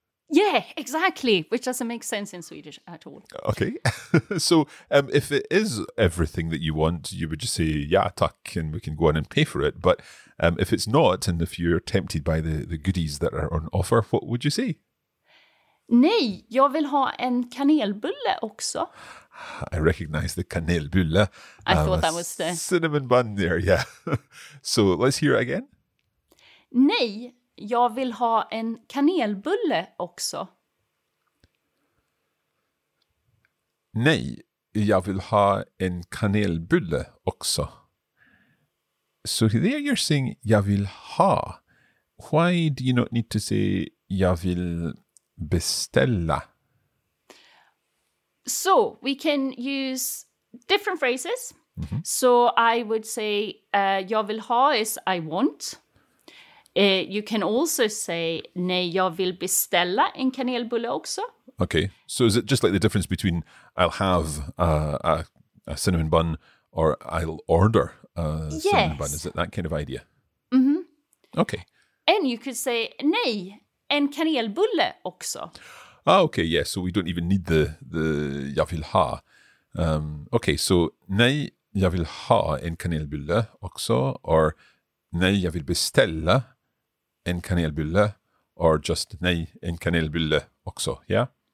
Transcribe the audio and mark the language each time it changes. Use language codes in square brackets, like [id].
[en] Yeah, exactly. Which doesn't make sense in Swedish at all. Okay. So, if it is everything that you want, you would just say, [sv] ja, tack, [en] and we can go on and pay for it. But if it's not, and if you're tempted by the goodies that are on offer, what would you say? [sv] Nej, jag vill ha en kanelbulle också. [en] I recognize the kanelbulle. I thought that was the cinnamon bun there, yeah. So let's hear it again. [sv] Nej, jag vill ha en kanelbulle också. Nej, jag vill ha en kanelbulle också. [en] So there you're saying, [sv] jag vill ha. [en] Why do you not need to say, [sv] jag vill beställa? [en] So we can use different phrases. Mm-hmm. So I would say, [sv] jag vill ha [en] is I want. You can also say, [sv] nej, jag vill beställa en kanelbulle också. [en] Okay. So is it just like the difference between I'll have a cinnamon bun or I'll order a cinnamon bun? Is it that kind of idea? Mm-hmm. Okay. And you could say, [sv] nej, en kanelbulle också. [en] Ah, okay. Yeah. So we don't even need the [sv] jag vill ha. [en] Okay. So, [sv] nej, jag vill ha en kanelbulle också. [en] Or, [sv] nej, jag vill beställa en kanelbulle, [en] or just [sv] nej, en kanelbulle också, [en] yeah?